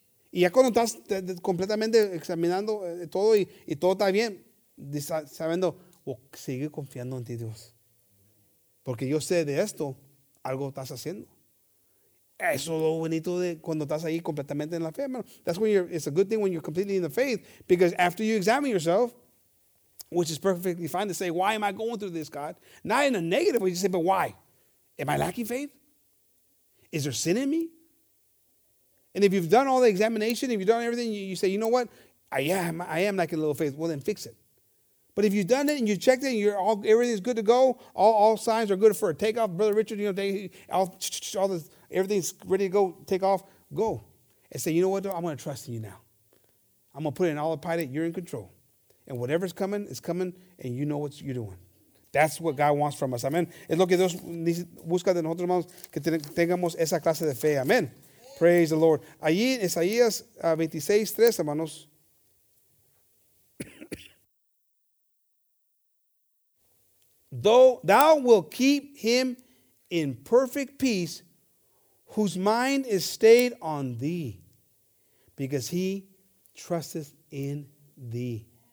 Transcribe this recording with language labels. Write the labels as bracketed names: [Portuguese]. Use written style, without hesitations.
[Spanish] Y ya cuando estás completamente examinando todo y todo está bien, sabiendo, sigue confiando en ti, Dios. Porque yo sé de esto, algo estás haciendo. Eso es lo bonito de cuando estás ahí completamente en la fe, hermano. [English] That's when it's a good thing when you're completely in the faith. Because after you examine yourself, which is perfectly fine to say, why am I going through this, God? Not in a negative way, you say, but why? Am I lacking faith? Is there sin in me? And if you've done all the examination, if you've done everything, you say, you know what? I am lacking a little faith. Well, then fix it. But if you've done it and you checked it and everything's good to go, all signs are good for a takeoff. Brother Richard, you know, everything's ready to go, take off, go. And say, you know what, though? I'm going to trust in you now. I'm going to put it in autopilot. You're in control. And whatever's coming, is coming, and you know what you're doing. That's what God wants from us. Amen. [Spanish] Es lo que Dios busca de nosotros, hermanos, que tengamos esa clase de fe. [English] Amen. Praise the Lord. [Spanish] Allí en Isaías 26:3, hermanos, [English] though thou wilt keep him in perfect peace whose mind is stayed on thee, because he trusteth in thee.